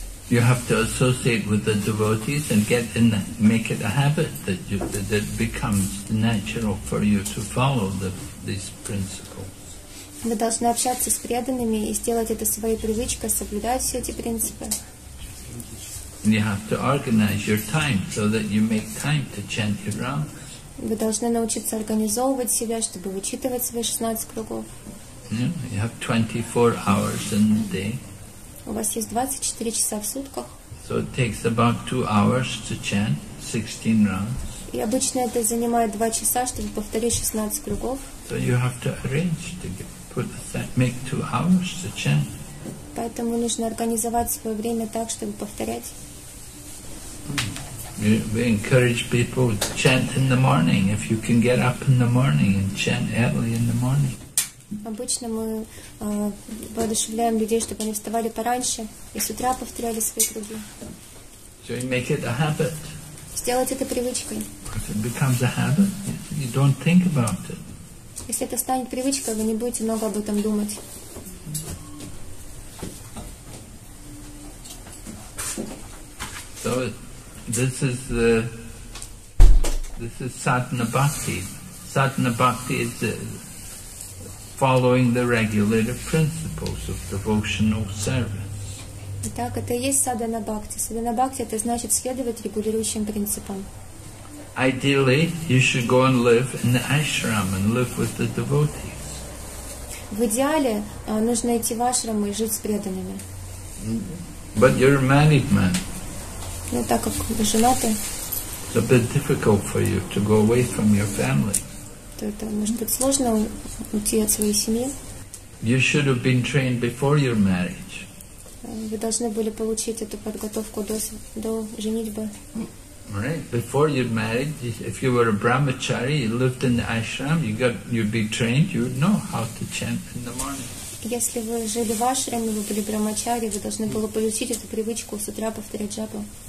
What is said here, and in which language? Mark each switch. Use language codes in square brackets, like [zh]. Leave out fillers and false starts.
[en] You have to associate with the devotees and get in, make it a habit that you, that becomes natural for you to follow these principles. [ru] Вы должны общаться с преданными и сделать это своей привычкой, соблюдать все эти принципы. [en] You have to organize your time so that you make time to chant your rounds. [ru] Вы должны научиться организовывать себя, чтобы вычитывать свои 16 кругов. [en] Yeah, you have 24 hours in the day. [ru] У вас есть 24 часа в сутках. [en] So it takes about 2 hours to chant 16 rounds. [ru] И обычно это занимает 2 часа, чтобы повторить 16 кругов. [en] So you have to arrange to get, put aside, make 2 hours to chant. [ru] Поэтому нужно организовать свое время так, чтобы повторять. [en] We encourage people to chant in the morning, if you can get up in the morning and chant early in the morning. [ru] Обычно мы воодушевляем людей, чтобы они вставали пораньше и с утра повторяли свои круги. [en] So you make it a habit. [ru] Сделать это привычкой. [en] If it becomes a habit, you don't think about it. [ru] Если это станет привычкой, вы не будете много об этом думать. [en] So this is sadhana bhakti. Sadhana bhakti is following the regulated principles of devotional service. [ru] Итак, это и есть садхана бхакти. Садхана бхакти — это значит следовать регулирующим принципам. [en] Ideally, you should go and live in the ashram and live with the devotees. [ru] В идеале нужно идти в ашрам и жить с преданными. [en] But you're a married man. [ru] Но так как вы женаты, [en] it's a bit difficult for you to go away from your family. [ru] То это может быть сложно уйти от своей семьи. [en] You should have been trained before your marriage. [ru] Вы должны были получить эту подготовку до женитьбы. [en] Right. Before you married, if you were a brahmachari, you lived in the ashram, you'd be trained, you would know how to chant in the morning. [ru] Если вы жили в ашраме, вы были брамачари, вы должны были получить эту привычку с утра повторять джапу.